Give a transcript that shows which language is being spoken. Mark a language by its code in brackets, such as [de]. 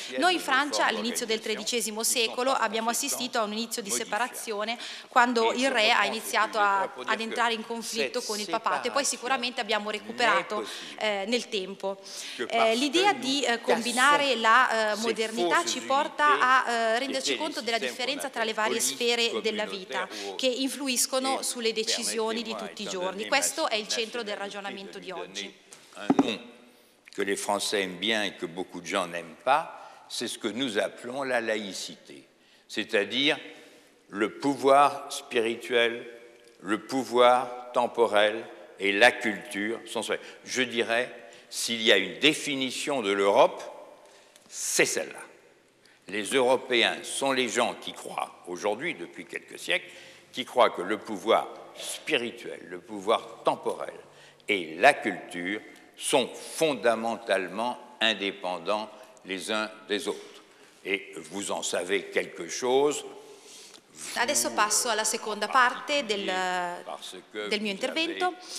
[it] Noi in Francia all'inizio del XIII secolo abbiamo assistito a un inizio di separazione quando il re ha iniziato ad entrare in conflitto con il papato e poi sicuramente abbiamo recuperato nel tempo. L'idea di combinare la modernità ci porta a renderci conto della differenza tra le varie sfere della vita che influiscono sulle decisioni di tutti i giorni. Questo è il centro del ragionamento di oggi. [fr] Che les Français aiment bien et que beaucoup de gens n'aiment pas, c'est ce que nous appelons la laïcité, c'est-à-dire le pouvoir spirituel, le pouvoir temporel et la culture. Je dirais, s'il y a une définition de l'Europe, c'est celle-là. Les Européens sont les gens qui croient, aujourd'hui, depuis quelques siècles, qui croient que le pouvoir spirituel, le pouvoir temporel et la culture sont fondamentalement indépendants les uns des autres. Et vous en savez quelque chose. [it] Adesso passo alla seconda parte del mio intervento.